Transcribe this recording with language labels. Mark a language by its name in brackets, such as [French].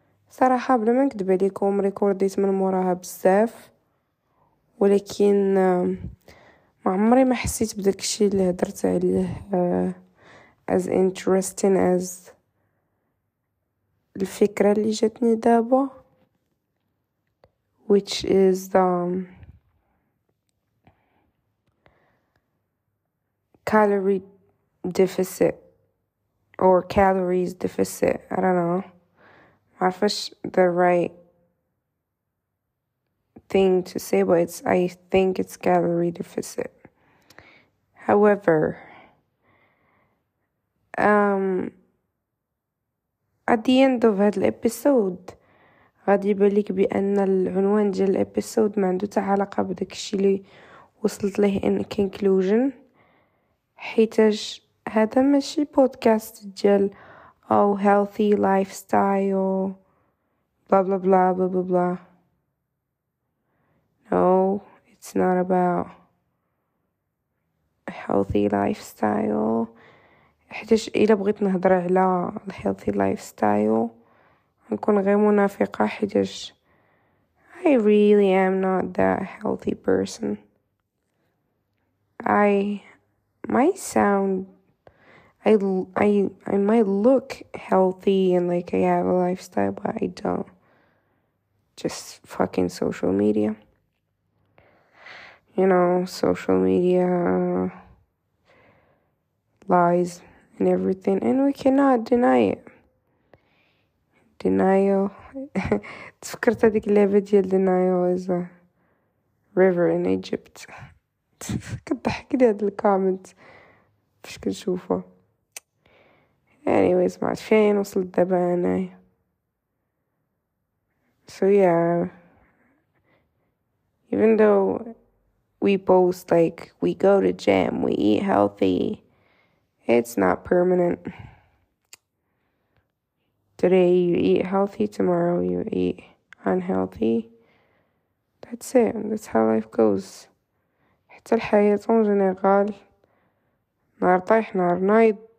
[Arabic] صراحة بلا ما نكدب عليكم ريكورديت من موراها بزاف، ولكن ما عمري ما حسيت بداك الشيء اللي هدرت عليه [English] as interesting as [Arabic] الفكرة اللي جاتني دابا، [English] which is calorie deficit or calories deficit. I don't know. [Arabic] عارفش [English] the right thing to say, but I think it's calorie deficit. However, at the end of [Arabic] هاد الابيسود غادي يبان لك بان العنوان ديال الابيسود ما عنده حتى علاقه بداك الشيء اللي وصلت ليه [English] ان كونكلوجن، [Arabic] حيتاش هذا ماشي بودكاست ديال [English] او healthy lifestyle [Arabic] بلا بلا بلا بلا بلا بلا. [English] No, it's not about a healthy lifestyle. [Arabic] حيتاش إلا بغيت نهضر على [English] healthy lifestyle [Arabic] نكون غير منافقة، حيتاش [English] I really am not that healthy person. I might sound I might look healthy and like I have a lifestyle, but I don't. Just fucking social media. You know, social media lies and everything, and we cannot deny it. Denial. [Arabic] تفكرت هذيك اللعبة ديال [English] denial is a river in Egypt. [Arabic] كضحك لي هاد الكومنت فاش كنشوفو. [English] Anyways, [Arabic] ما عرفت فين وصلت دابا أنايا. [English] So yeah, even though we post like we go to gym, we eat healthy, it's not permanent. Today you eat healthy, tomorrow you eat unhealthy. That's it. That's how life goes. [Arabic] حتى الحياة [English] on general [Arabic] نهار طايح نهار نايض.